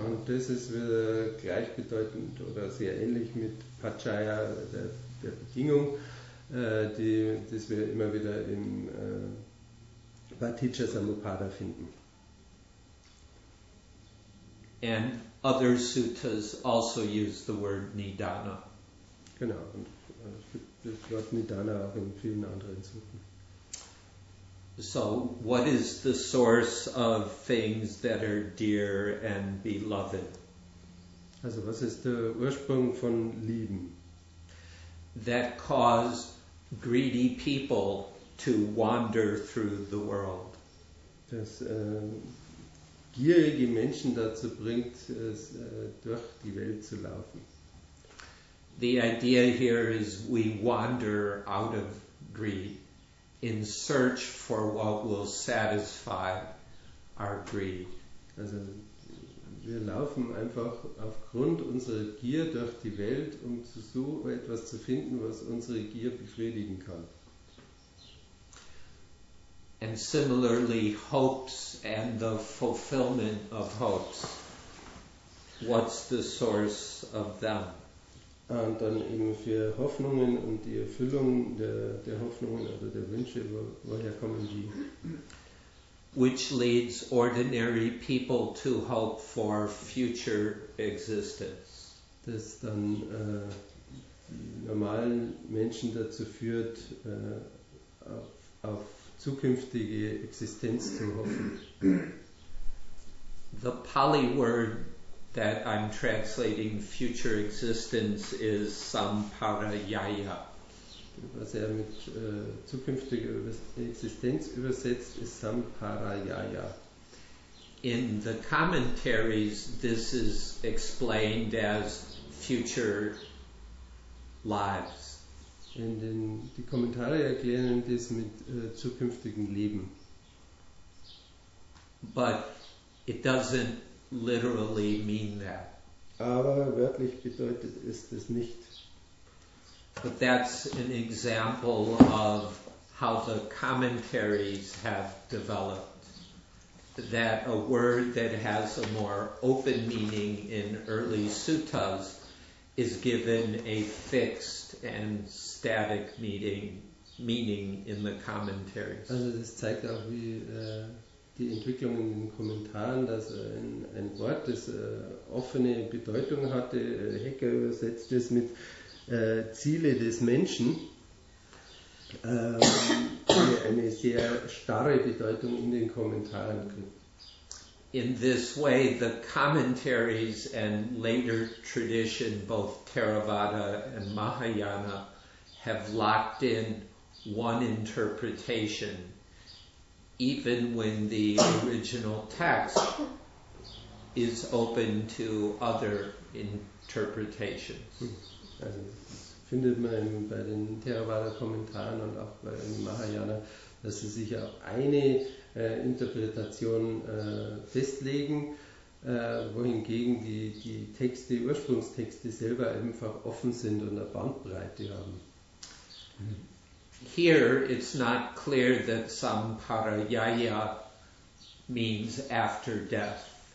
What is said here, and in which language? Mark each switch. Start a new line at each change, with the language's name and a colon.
German: Und das ist wieder gleichbedeutend oder sehr ähnlich mit Pachaya, der Bedingung, das wir immer wieder im Paticca Samuppada finden.
English: And other suttas also use the word Nidana.
German: Genau, und es gibt das Wort Nidana auch in vielen anderen Suten.
English: So, what is the source of things that are dear and beloved?
German: Also, was ist der Ursprung von Lieben?
English: That cause greedy people to wander through the world.
German: Das gierige Menschen dazu bringt, durch die Welt zu laufen.
English: The idea here is we wander out of greed. In search for what will satisfy our greed.
German: Also, wir laufen einfach aufgrund unserer Gier durch die Welt, um zu so etwas zu finden, was unsere Gier befriedigen kann.
English: And similarly, hopes and the fulfillment of hopes. What's the source of them?
German: Und dann eben für Hoffnungen und die Erfüllung der Hoffnungen oder der Wünsche, woher kommen die?
English: Which leads ordinary people to hope for future existence.
German: Das dann normalen Menschen dazu führt, auf zukünftige Existenz zu hoffen.
English: The Pali word that I'm translating future existence is samparayaya.
German: Was er mit zukünftiger Existenz übersetzt, ist samparayaya.
English: In the commentaries, this is explained as future lives.
German: Und in die Kommentare erklären das mit zukünftigen Leben.
English: But it doesn't literally mean that.
German: Aber wörtlich bedeutet ist es nicht.
English: But that's an example of how the commentaries have developed. That a word that has a more open meaning in early suttas is given a fixed and static meaning in the commentaries.
German: Also das zeigt auch, wie die Entwicklung in den Kommentaren, dass ein Wort, das offene Bedeutung hatte, Hecker übersetzt es mit Ziele des Menschen, die eine sehr starre Bedeutung in den Kommentaren kriegt.
English: In this way, the commentaries and later tradition, both Theravada and Mahayana, have locked in one interpretation. Even when the original text is open to other interpretations.
German: Also das findet man bei den Theravada-Kommentaren und auch bei den Mahayana, dass sie sich auf eine Interpretation festlegen, wohingegen die Texte, Ursprungstexte selber einfach offen sind und eine Bandbreite haben.
English: Here it's not clear that samparayaya means after death.